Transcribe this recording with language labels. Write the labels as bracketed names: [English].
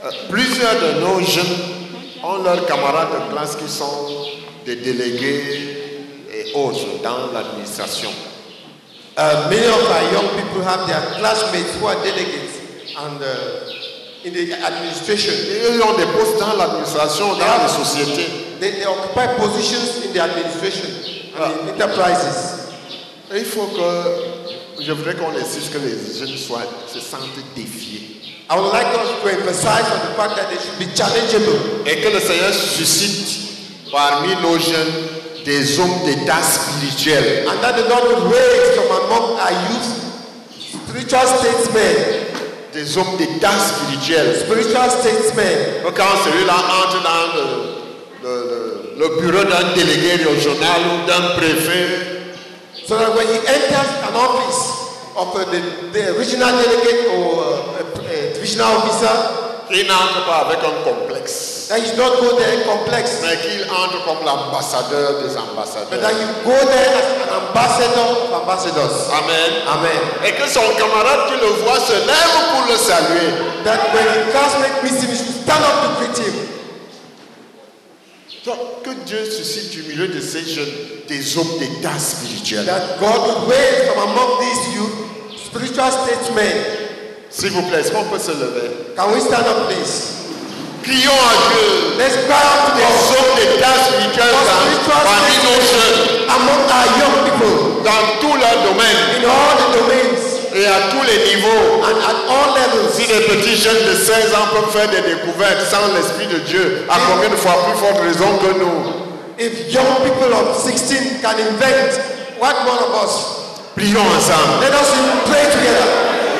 [French] Plusieurs de nos jeunes ont leurs camarades de classe qui sont des délégués et autres dans l'administration. [English] Many of our young people have their classmates who are delegates and in the administration. [French] Ils ont des postes dans l'administration, dans les sociétés. [English] They occupy positions in the administration and in enterprises. [French] Et il faut que je voudrais qu'on insiste que les jeunes soient se sentent défiés. [English] I would like us to emphasize on the fact that they should be challengeable. [French] Et que le Seigneur suscite parmi nos jeunes des hommes d'état spirituel. [English] And that the Lord will raise from among our youth spiritual statesmen. [French] Des hommes d'état spirituel. [English] Spiritual statesmen. [French] Quand celui-là entre dans le bureau d'un délégué régional ou d'un préfet. [English] So that when he enters an office of the regional delegate or a regional officer, [French] il n'entre pas avec un complexe. [English] That he not go there complex. [French] Mais qu'il entre comme l'ambassadeur des ambassadeurs. [English] But that he go there as an ambassador of ambassadors. [French] Amen. [English] Amen. [French] Et que son camarade qui le voit se lève pour le saluer. [English] That when he classmate meets him, he should stand up to greet him. [French] Donc, que Dieu suscite du milieu de ces jeunes des hommes d'état spirituel. [English] That God will raise from among these youth spiritual statesmen. [French] S'il vous plaît, est-ce qu'on peut se lever? [English] Can we stand up, please? [French] Prions à Dieu. [English] Let's pray to the Lord. Dans spirituels among our young people. [French] Dans tous leurs domaines. [English] In all the domains. [French] Et à tous les niveaux. [English] And at all levels. [French] Si des petits jeunes de 16 ans peuvent faire des découvertes sans l'Esprit de Dieu, à combien de fois plus forte raison que nous? [English] If young people of 16 can invent, what more of us? [French] Prions ensemble. [English] Let us pray together.